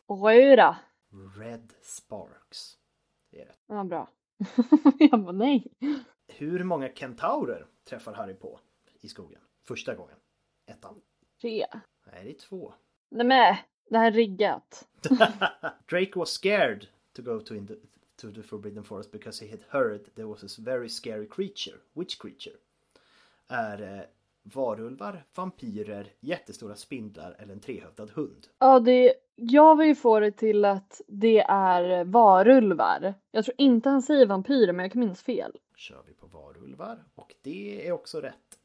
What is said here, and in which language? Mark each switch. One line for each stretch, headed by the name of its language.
Swedish: Röda.
English: Red sparks.
Swedish: Det är rätt. Ja, bra. Jag bara, nej. Hur många kentaurer träffar Harry på i skogen? Första gången. Ettan. Tre. Nej, det är två. Nej, men det här är riggat.
English: Drake was scared to go to the Forbidden Forest because he had heard there was a very scary creature. Which creature?
Swedish: Är varulvar, vampyrer, jättestora spindlar eller en trehövdad hund? Ja, jag vill ju få det till att det är varulvar. Jag tror inte han säger vampyrer, men jag kan minnas fel. Kör vi på varulvar. Och det är också rätt.